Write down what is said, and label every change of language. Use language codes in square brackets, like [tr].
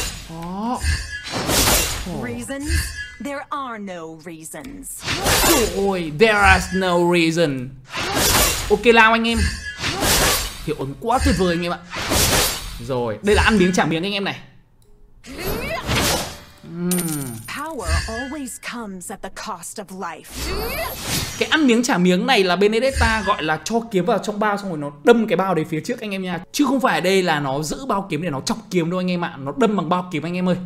[en] Đó. Reasons? There are no reasons. Ôi, there is no reason. Ok [vi] lao anh em. Hiệu ứng quá tuyệt vời anh em ạ. Rồi, đây là ăn miếng trả miếng anh em này. [en] Always comes at the cost of life. [vi] Cái ăn miếng trả miếng này là Benedetta gọi là cho kiếm vào trong bao, xong rồi nó đâm cái bao đấy phía trước anh em nha, chứ không phải đây là nó giữ bao kiếm để nó chọc kiếm đâu anh em ạ. Nó đâm bằng bao kiếm anh em ơi.